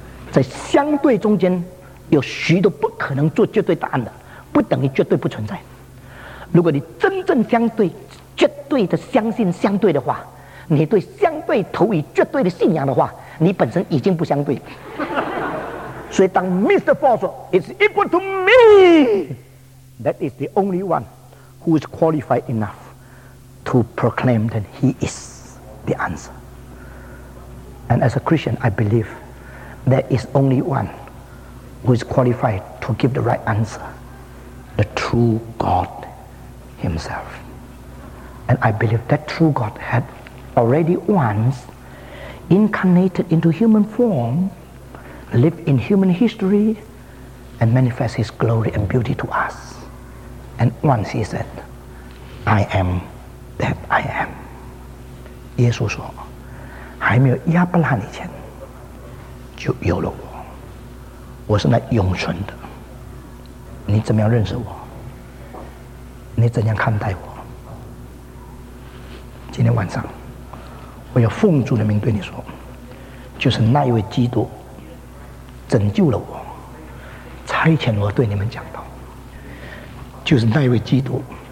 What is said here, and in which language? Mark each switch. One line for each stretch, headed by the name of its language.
Chinese: 在相对中间有许多不可能做绝对答案的，不等于绝对不存在。如果你真正相对绝对的相信相对的话，你对相对投以绝对的信仰的话，你本身已经不相对。所以当 Mr.
English: Ford 说 It's equal to me, That is the only one who is qualified enough to proclaim that he is the answer. And as a Christian, I believe there is only one who is qualified to give the right answer, the true God himself. And I believe that true God had already once incarnated into human form, lived in human history, and manifest his glory and beauty to us. And once he said, I am that I am.
Chinese: 耶稣说还没有亚伯拉罕以前就有了我，我是那永存的。你怎么样认识我？你怎样看待我？今天晚上我要奉主的名对你说，就是那一位基督拯救了我，差遣我对你们讲道，就是那一位基督